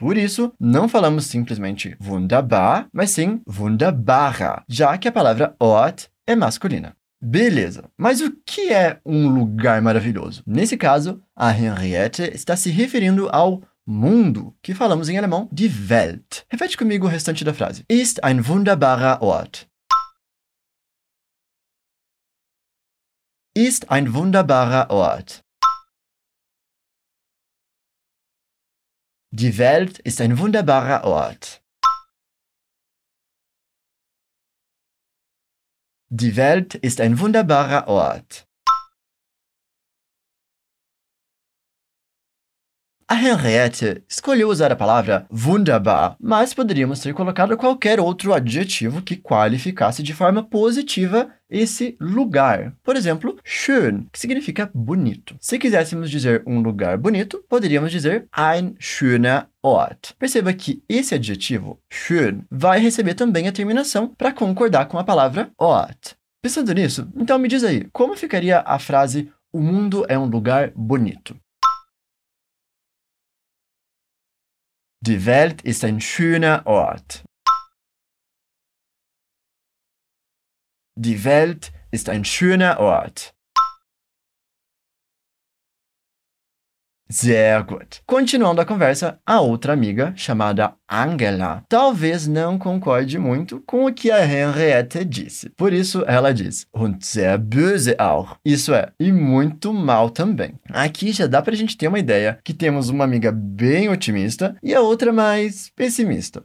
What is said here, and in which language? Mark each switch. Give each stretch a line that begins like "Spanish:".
Portuguese: Por isso, não falamos simplesmente wunderbar, mas sim wunderbarer, já que a palavra Ort é masculina. Beleza, mas o que é um lugar maravilhoso? Nesse caso, a Henriette está se referindo ao mundo, que falamos em alemão, die Welt. Repete comigo o restante da frase.
German: Ist ein wunderbarer Ort. Ist ein wunderbarer Ort. Die Welt ist ein wunderbarer Ort. Die Welt ist ein wunderbarer Ort.
Portuguese: A Henriette escolheu usar a palavra wunderbar, mas poderíamos ter colocado qualquer outro adjetivo que qualificasse de forma positiva esse lugar. Por exemplo, schön, que significa bonito. Se quiséssemos dizer um lugar bonito, poderíamos dizer
German: ein schöner Ort.
Portuguese: Perceba que esse adjetivo, schön, vai receber também a terminação para concordar com a palavra Ort. Pensando nisso, então me diz aí, como ficaria a frase o mundo é um lugar bonito?
German: Die Welt ist ein schöner Ort. Die Welt ist ein schöner Ort. Sehr gut.
Portuguese: Continuando a conversa, a outra amiga, chamada Angela, talvez não concorde muito com o que a Henriette disse. Por isso, ela diz,
German: und sehr böse auch.
Portuguese: Isso é, e muito mal também. Aqui já dá pra gente ter uma ideia que temos uma amiga bem otimista e a outra mais pessimista.